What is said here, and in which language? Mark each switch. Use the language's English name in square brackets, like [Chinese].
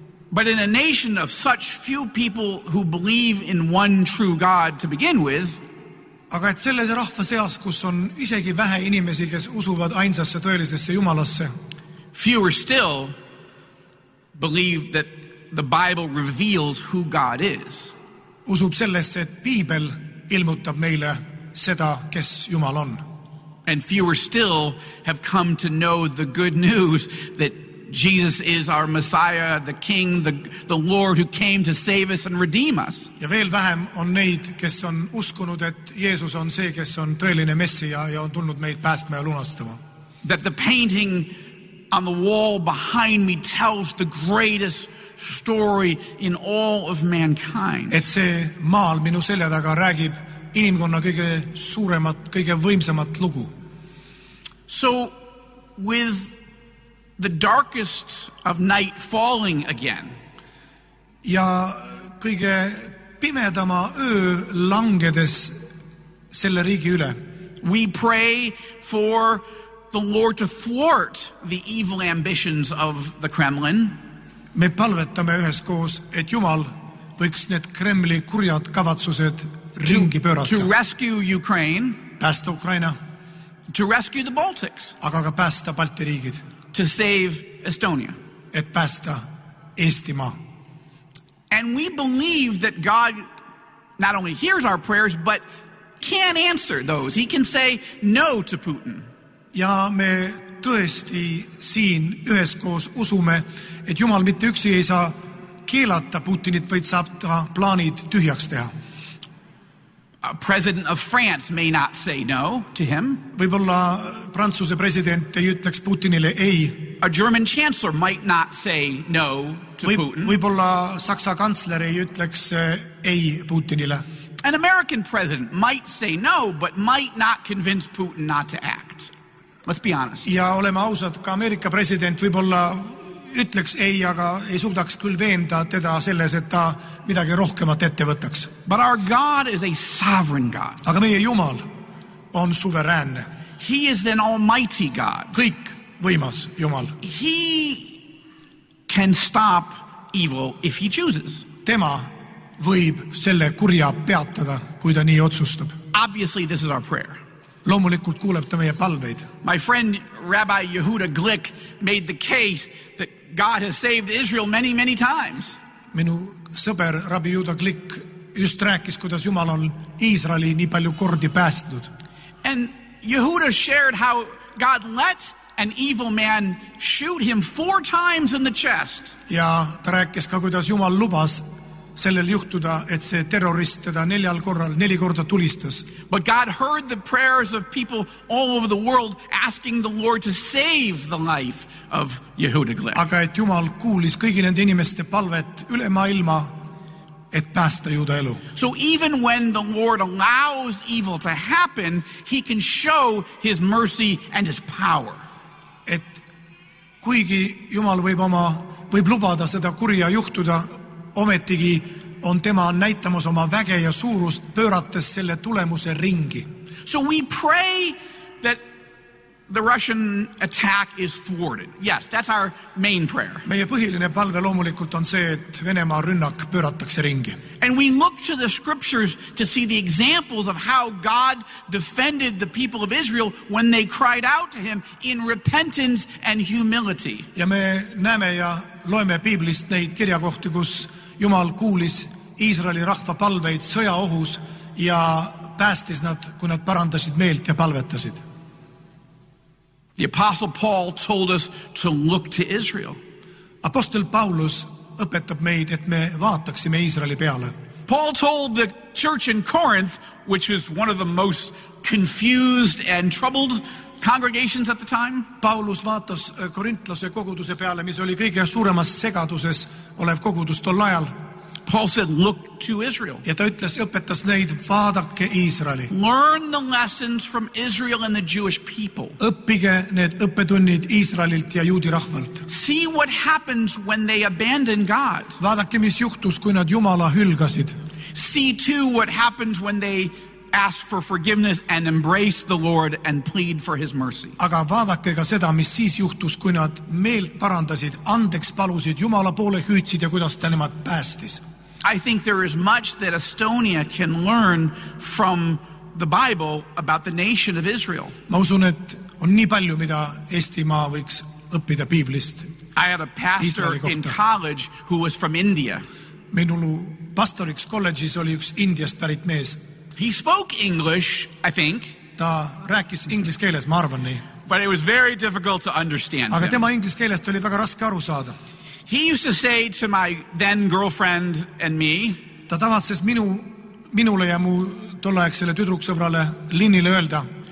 [English] But in a nation of such few people who believe in one true God to begin with, [Estonian] aga et selles rahva seas, kus on isegi vähe inimesi, kes usuvad ainsasse tõelisesse Jumalasse, [English] fewer still believe that the Bible reveals who God is. [Estonian] Usub sellesse, et Piibel ilmutab meile seda, kes Jumal on. [English] And fewer still have come to know the good news that Jesus is our Messiah, the King, the Lord who came to save us and redeem us. [Estonian] Ja veel vähem on neid, kes on uskunud, et Jeesus on see, kes on tõeline Messia ja on tulnud meid päästma ja lunastama. [English] That the painting on the wall behind me tells the greatest story in all of mankind. [Estonian] Et see maal minu selja taga räägib inimkonna kõige suuremat, kõige võimsamat lugu. [English] So with the darkest of night falling again. [Estonian] Ja kõige pimedama öö langedes selle riigi üle. [English] We pray for the Lord to thwart the evil ambitions of the Kremlin. [Estonian] Me palvetame ühes koos, et Jumal võiks need Kremli kurjad kavatsused ringi pöörata. [English] To rescue Ukraine. [Estonian] Päästa Ukraina. [English] To rescue the Baltics. [Estonian] Aga ka päästa Balti riigid. [English] To save Estonia. [Estonian] Et päästa Eestimaa. [English] And we believe that God not only hears our prayers, but can answer those. He can say no to Putin. [Estonian] Ja me tõesti siin üheskoos usume, et Jumal mitte üksi ei saa keelata Putinit, vaid saab ta plaanid tühjaks teha. [English] A president of France may not say no to him. [Estonian] Võibolla Prantsuse president ei ütleks Putinile ei. [English] A German chancellor might not say no to Putin. [Estonian] Võibolla Saksa kansler ei ütleks ei Putinile. [English] An American president might say no, but might not convince Putin not to act. Let's be honest. [Estonian] Ja oleme ausad, ka Ameerika president võib-olla ütleks ei, aga ei suudaks küll veenda teda selles, et ta midagi rohkemat ette võtaks. [English] But our God is a sovereign God. [Estonian] Aga meie Jumal on suveräänne. [English] He is an almighty God. [Estonian] Kõik võimas Jumal. [English] He can stop evil if he chooses. [Estonian] Tema võib selle kurja peatada, kui ta nii otsustab. [English] Obviously this is our prayer. [Estonian] Loomulikult kuuleb ta meie palveid. [English] My friend Rabbi Yehuda Glick made the case that God has saved Israel many, many times. [Estonian] Minu sõber Rabbi Yehuda Glick just rääkis, kuidas Jumal on Iisraeli nii palju kordi päästnud. [English] And Yehuda shared how God let an evil man shoot him 4 times in the chest. [Estonian] Ja ta rääkis ka, kuidas Jumal lubas sellel juhtuda, et see terrorist teda neli korda tulistas. [English] But God heard the prayers of people all over the world asking the Lord to save the life of Yehuda Glick. [Estonian] Aga et Jumal kuulis kõigi nende inimeste palvet üle maailma, et päästa Juuda elu. [English] So even when the Lord allows evil to happen, he can show his mercy and his power. [Estonian] Et kuigi Jumal võib lubada seda kurja juhtuda, ometigi on tema näitamas oma väge ja suurust pöörates selle tulemuse ringi. [English] So we pray that the Russian attack is thwarted. Yes, that's our main prayer. [Estonian] Meie põhiline palve loomulikult on see, et Venemaa rünnak pööratakse ringi. [English] And we look to the scriptures to see the examples of how God defended the people of Israel when they cried out to him in repentance and humility. [Estonian] Ja me näeme ja loeme Biiblist neid kirjakohti, kus Jumal kuulis Iisraeli rahva palveid sõjaohus ja päästis nad, kui nad parandasid meelt ja palvetasid. [English] The Apostle Paul told us to look to Israel. [Estonian] Apostel Paulus õpetab meid, et me vaataksime Iisraeli peale. [English] Paul told the church in Corinth, which was one of the most confused and troubled congregations at the time. [Estonian] Paulus vaatas korintlase koguduse peale, mis oli kõige suuremas segaduses olev kogudus tol ajal. [English] Paul said, look to Israel. [Estonian] Ja ta ütles, õpetas neid, vaadake Iisraeli. [English] Learn the lessons from Israel and the Jewish people. [Estonian] Õppige need õppetunnid Iisraelilt ja juudi rahvalt. [English] See what happens when they abandon God. [Estonian] Vaadake, mis juhtus, kui nad Jumala hülgasid. [English] See too what happens when they ask for forgiveness and embrace the Lord and plead for his mercy. [Estonian] Aga vaadake ka seda, mis siis juhtus, kui nad meelt parandasid, andeks palusid, Jumala poole hüütsid ja kuidas ta nemad päästis. [English] I think there is much that Estonia can learn from the Bible about the nation of Israel. [Estonian] Ma usun, et on nii palju, mida Eestimaa võiks õppida Biiblist. [English] I had a pastor in college who was from India. [Estonian] Minul pastoriks kolledžis oli üks Indiast pärit mees. [English] He spoke English, I think. [Estonian] Ta rääkis inglise keeles, ma arvan nii. [English] But it was very difficult to understand him. [Estonian] Aga tema inglise keelest oli väga raske aru saada. [English] He used to say to my then girlfriend and me. [Estonian] Ta tavatses minule ja mu tollaegsele tüdruksõbrale Linnile öelda.